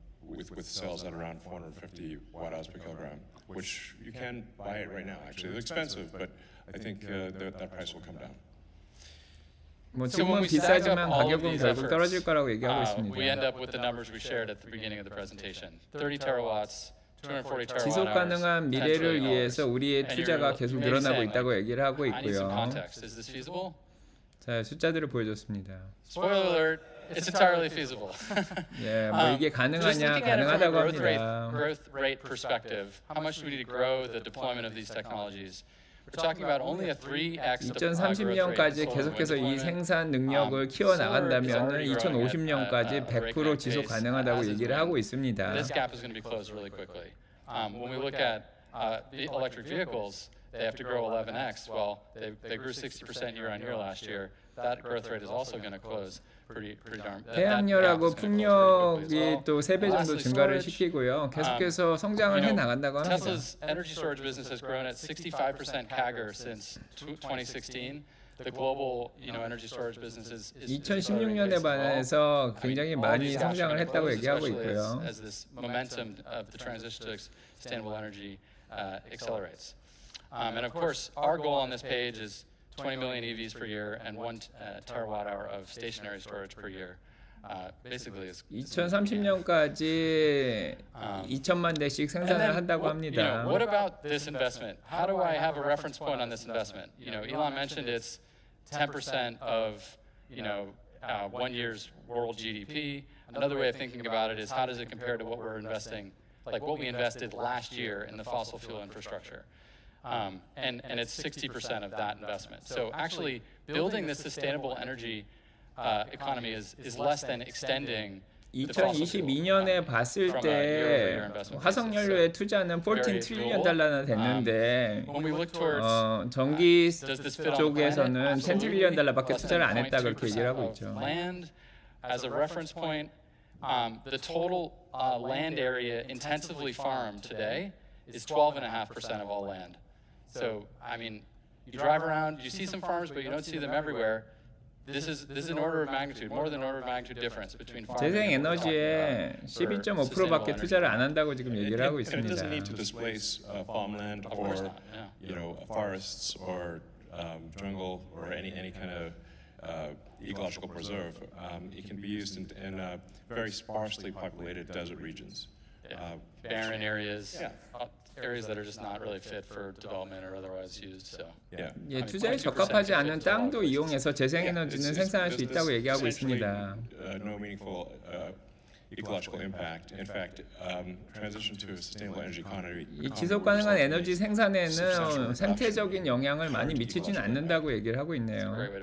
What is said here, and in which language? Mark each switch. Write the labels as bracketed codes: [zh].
[en] With cells at around 450 watt hours per kilogram, which you can buy it right now. Actually, it's expensive, but I think that price will come down. [ko] 뭐 지금은 비싸지만 가격은 계속 떨어질 거라고 얘기하고 있습니다. [en] We end up with the numbers we shared at the beginning of the presentation. 30 terawatts, 240 terawatt hours. [ko] 지속 가능한 미래를 위해서 우리의 투자가 계속 늘어나고 있다고 얘기를 하고 있고요. [en] Is this feasible? [ko] 자, 숫자들을 보여줬습니다. [en] Spoiler alert. It's entirely feasible. [ko] 예, 뭐 이게 가능하냐, 가능하다고 합니다. [en] Just looking at it from a growth rate perspective, how much do we need to grow the deployment of these technologies? We're talking about only a 3x growth rate. [ko] 2030년까지 계속해서 이 생산 능력을 키워 나간다면은 2050년까지 100% 지속 가능하다고 얘기를 하고 있습니다. [en] This gap is going to be closed really quickly. When we look at electric vehicles, they have to grow 11x. Well, they grew 60% year on year last year. That growth rate is also going to close. [ko] 태양열하고 풍력이 또 세 배 정도 증가를 시키고요. 계속해서 성장을 해 나간다고 합니다. [en] Tesla's energy storage business has grown at 65% CAGR since 2016. The global, you know, energy storage business is [ko] 2016년에 반해서 굉장히 많이 성장을 했다고 얘기하고 있고요. [en] As this momentum of the transition to sustainable energy accelerates. And of course, our goal on this page is 20 million EVs per year and 1 terawatt hour of stationary storage per year. Basically, it's [ko] 2030년까지 2천만 대씩 생산을 한다고 합니다. [en] You know, what about this investment? How do I have a reference point on this investment? You know, Elon mentioned it's 10% of, you know, 1 year's world GDP. Another way of thinking about it is how does it compare to what we're investing, like what we invested last year in the fossil fuel infrastructure? And it's 60% of that investment. So actually, building this sustainable energy economy is less than extending. [ko] 2022년에 봤을 때 화석 연료에 투자는 14트리리언 달러나 됐는데 전기 쪽에서는 10트리리언 달러밖에 투자를 안 했다 그렇게 얘기를 하고 있죠. [en] Land as a reference point, the total land area intensively farmed today is 12.5% of all land. So, I mean, you drive around, you see some farms, but you don't see them everywhere. This is an order of magnitude, more than an order of magnitude difference between farming. [ko] 재생 에너지에 12.5%밖에 투자를 안 한다고 지금 얘기를 하고 있습니다. [en] It doesn't need to displace farmland or, you know, forests or jungle or any kind of ecological preserve. It can be used in very sparsely populated desert regions. Barren areas. Areas that are just not really fit for development or otherwise used. So. Yeah. [ko] 예, 투자에 적합하지 않은 땅도 이용해서 재생에너지는 생산할 수 있다고 얘기하고 있습니다. [en] No meaningful ecological impact. In fact, transition to a sustainable energy economy. [ko] 이 지속 가능한 에너지 생산에는 생태적인 영향을 많이 미치진 않는다고 얘기를 하고 있네요.